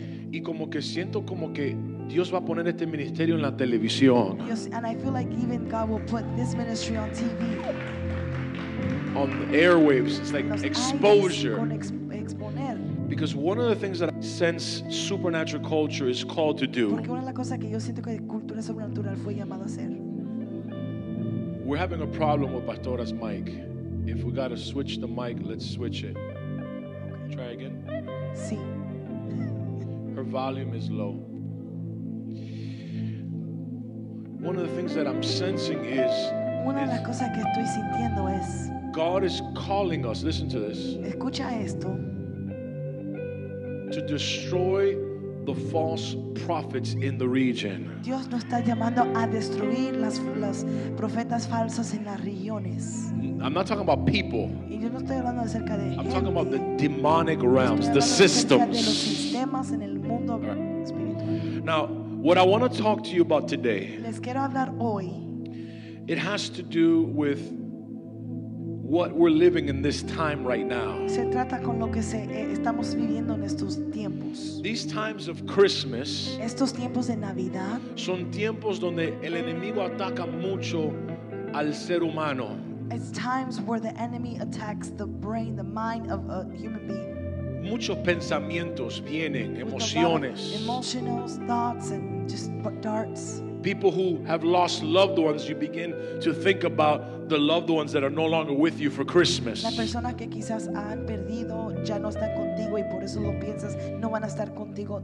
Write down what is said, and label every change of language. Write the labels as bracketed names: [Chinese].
[Spanish] Y como que siento como que Dios va a poner este ministerio en la televisión. [English] And I feel like even God will put this ministry on TV. On the airwaves, it's like exposure. [Spanish] Exponer. [English] Because one of the things that I sense supernatural culture is called to do. We're having a problem with Pastora's mic. If we gotta switch the mic, let's switch it. Okay. Try again. [Spanish] Sí. [English] Her volume is low. One of the things that I'm sensing is. [Spanish] Una de las cosas que estoy sintiendo es. [English] God is calling us, listen to this, [Spanish] escucha esto, [English] to destroy the false prophets in the region. [Spanish] Dios nos está llamando a destruir las profetas falsas en las regiones. [English] I'm not talking about people. [Spanish] Y yo no estoy hablando acerca de [English] I'm [Spanish] gente. [English] Talking about the demonic realms, the systems. [Spanish] De los sistemas en el mundo espiritual. [English] Now, what I want to talk to you about today, [Spanish] les quiero hablar hoy, [English] it has to do with what we're living in this time right now. [Spanish] Se trata con lo que estamos viviendo en estos tiempos. [English] These times of Christmas. [Spanish] Estos tiempos de Navidad. Son tiempos donde el enemigo ataca mucho al ser humano. [English] It's times where the enemy attacks the brain, the mind of a human being. [Spanish] Muchos pensamientos vienen, emociones. [English] Emotional thoughts and just darts. People who have lost loved ones, you begin to think about the loved ones that are no longer with you for Christmas. [Spanish] La persona que quizás han perdido ya no está contigo y por eso lo piensas, no van a estar contigo.